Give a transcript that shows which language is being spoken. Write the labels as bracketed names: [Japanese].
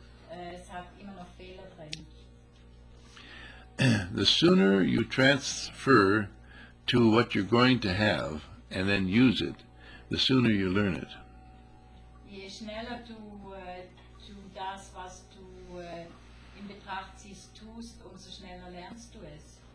[German] Es hat immer noch Fehler drin. [English] The sooner you transfer to what you're going to have and then use it, the sooner you learn it. [German] Je schneller du zu das, was du in Betracht ziehst, tust, umso schneller lernst du es.